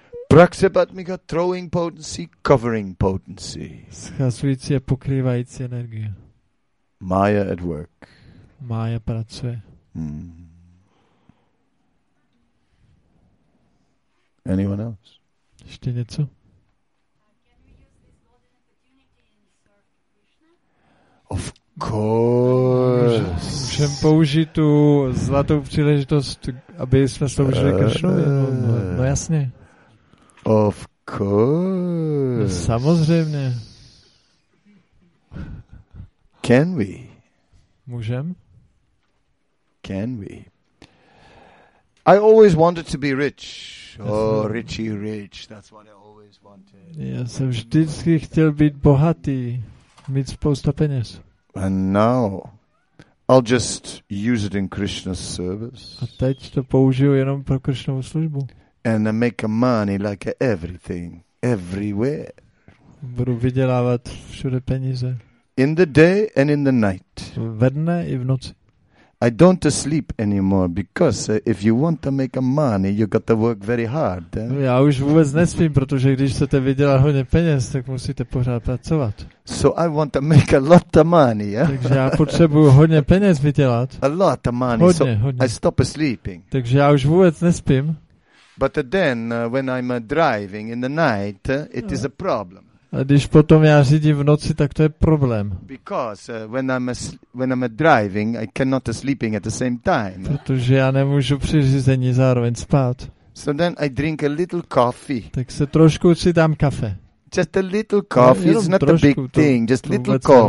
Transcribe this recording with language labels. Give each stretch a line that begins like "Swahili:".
English: Praxebatmika throwing potency, covering potency.
Czech: Schazující a pokrývající energie.
English: Maya at work.
Czech: Maya pracuje.
English: Anyone else?
Czech: Ještě něco?
English: Of course.
Czech: Můžeme použít tu zlatou příležitost, aby jsme sloužili Krišnovi. No jasně.
English: Of course.
Czech: No, samozřejmě.
English: Can we?
Czech: Můžem?
English: Can we? I always wanted to be rich. Oh, Richie Rich, that's what I always wanted.
Czech: Já jsem vždycky chtěl být bohatý, mít spoustu peněz.
English: And now I'll just use it in Krishna's service.
Czech: A teď to použiju jenom pro Krishnovu službu.
English: And I make money like everything, everywhere.
Czech: Budu vydělávat všude peníze.
English: In the day and in the night.
Czech: Ve dne i v noci.
English: I don't sleep anymore because if you want to make money, you got to work very hard. Eh?
Czech: Já už vůbec nespím, protože když chcete vydělat hodně peněz, tak musíte pořád pracovat.
English: So I want to make a lot of money. Eh?
Czech: Takže já potřebuji hodně peněz vydělat.
English: A lot of money.
Czech: Hodně.
English: I stop sleeping.
Czech: Takže já už vůbec nespím.
English: But then when I'm driving in the night, it is a problem.
Czech: A když potom já řídím v noci, tak to je problém.
English: Because when I'm driving, I cannot sleeping at the same time.
Czech: Protože já nemůžu při řízení zároveň spát.
English: So then I drink a little coffee.
Czech: Tak se trošku si dám kafe.
English: Just a little coffee, it's not a big thing, just little coffee.